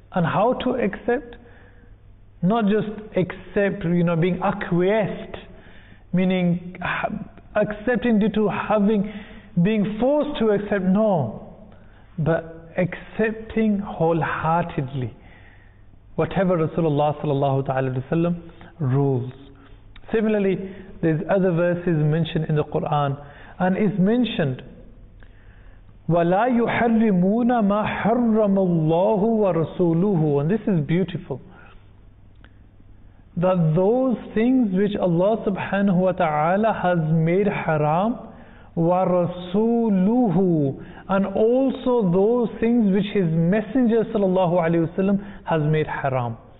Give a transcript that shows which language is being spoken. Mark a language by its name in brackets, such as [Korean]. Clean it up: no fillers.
[English] And how to accept? Not just accept, you know, being acquiesced, meaning accepting due to having, being forced to accept, no, but accepting wholeheartedly whatever Rasulullah sallallahu ta'ala alayhi wa sallam rules. Similarly, there's other verses mentioned in the Quran and is mentioned, [Arabic] وَلَا يُحَرِّمُونَ مَا حَرَّمَ اللَّهُ وَرَسُولُهُ. [English] And this is beautiful, that those things which Allah subhanahu wa ta'ala has made haram, وَرَسُولُهُ, and also those things which His Messenger sallallahu alayhi wasallam has made haram.